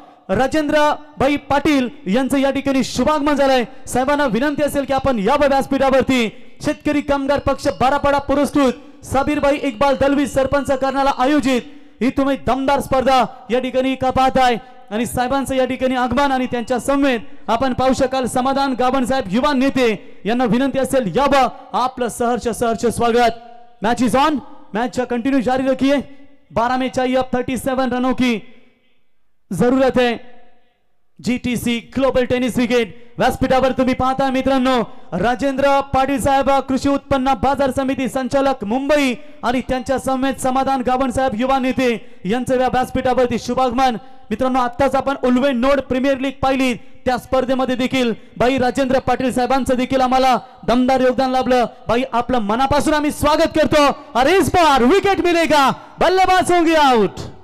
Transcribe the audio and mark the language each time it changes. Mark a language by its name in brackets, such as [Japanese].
[Marathi] राजेंद्र भाई पाटील यांचं या ठिकाणी शुभागमन झालंय, साहेबांना विनंती असेल की आपण या व्यासपीठावरती शेतकरी कामगार पक्ष बारापाडा पुरस्कृत साबीरबाई इकबाल दलवी सरपंच करण्याला आयोजित ही तुम्ही दमदार स्पर्धा या ठिकाणी का पाहताय, आणि साहेबांचं या ठिकाणी आगमन आणि त्यांच्या समवेत आपण पाहू शकाल समाधान गावण साहेब युवा नेते यांना विनंती असेल या बा आपलं सहर्ष सहर्ष स्वागत। [English] match is on, match continue [Hindi] जारी रखिये, 12 में चाहिए अब 37 रनों की जरूरत है। [Marathi] GTC ग्लोबल टेनिस ब्रिगेड व्यासपीठावर तुम्ही पाहता मित्रांनो राजेंद्र पाटील साहेब कृषी उत्पन्न बाजार समिती संचालक मुंबई आणि त्यांच्या समवेत समाधान गावण साहेब युवा नेते यांचं व्यासपीठावरती शुभागमन। मित्रांनो आताच आपण उलवे नोड प्रीमियर लीग पाहिली, त्या स्पर्धेमध्ये देखील भाई राजेंद्र पाटील साहेबांचं देखील आम्हाला दमदार योगदान लाभलं, भाई आपलं मनापासून आम्ही स्वागत करतो, [Hindi] अरे इस बार विकेट मिलेगा, बल्लेबाज होंगे आउट।